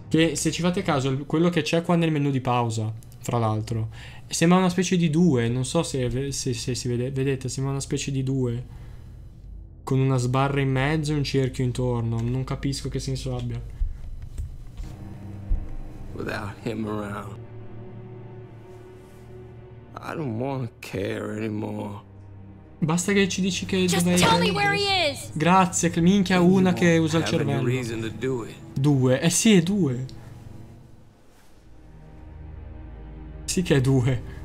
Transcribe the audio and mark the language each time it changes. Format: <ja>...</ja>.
<it>Che se ci fate caso, quello che c'è qua nel menu di pausa, fra l'altro, sembra una specie di due. Non so se si vede. Vedete, sembra una specie di due con una sbarra in mezzo e un cerchio intorno. Non capisco che senso abbia.</it> <en>Without him around, I don't wanna care anymore.</en> <it>Basta che ci dici che</it> <en>just</en> <it>dov'è.</it> <en>Tell me where he is.</en> <it>Grazie, che minchia una che usa il cervello. Due. Eh sì, è due. Sì che è due.</it>